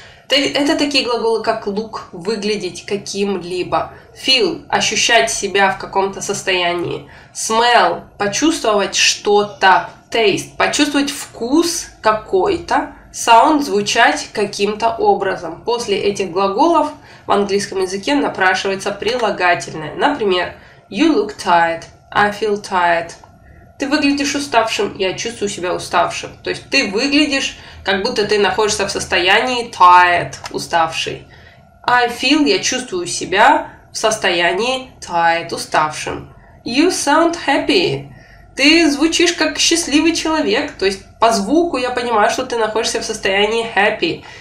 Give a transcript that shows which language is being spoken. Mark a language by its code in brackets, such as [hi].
[ru] Это такие глаголы, как look, выглядеть каким-либо, feel, ощущать себя в каком-то состоянии, smell, почувствовать что-то, taste, почувствовать вкус какой-то, sound, звучать каким-то образом. После этих глаголов в английском языке напрашивается прилагательное. Например, [en] you look tired, I feel tired. [ru] Ты выглядишь уставшим, я чувствую себя уставшим. То есть ты выглядишь, как будто ты находишься в состоянии tired, уставший. [en] I feel, [ru] я чувствую себя в состоянии tired, уставшим. [en] You sound happy. [ru] Ты звучишь как счастливый человек. То есть по звуку я понимаю, что ты находишься в состоянии happy.